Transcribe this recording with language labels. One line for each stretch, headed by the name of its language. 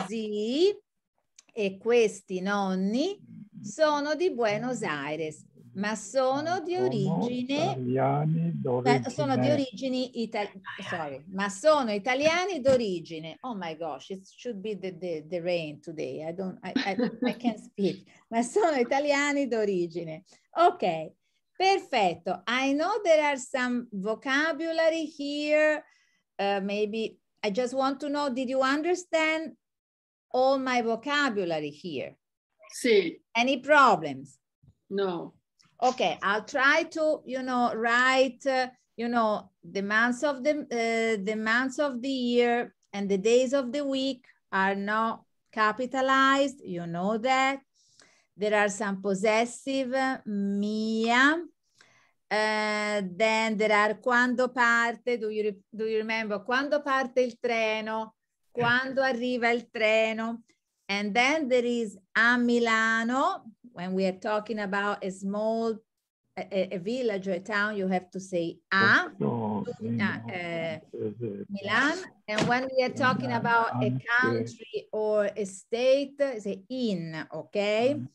Italian: zii e questi nonni sono di Buenos Aires, ma sono di origine sono italiani d'origine.
English: Oh my gosh, it should be the rain today. I can't speak.
Italian: Ma sono italiani d'origine. Ok. Perfetto.
English: I know there are some vocabulary here. Maybe I just want to know, did you understand all my vocabulary here?
Italian: Sì.
English: Any problems? No. Okay, I'll try to, you know, write, you know, the months of the year and the days of the week are not capitalized. You know that. There are some possessive, mia. Then there are quando parte, do you remember?
Italian: Quando parte il treno, quando arriva il treno.
English: And then there is a Milano, when we are talking about a small, a village or a town, you have to say a, Milan. And when we are talking about a country or a state, say in, okay?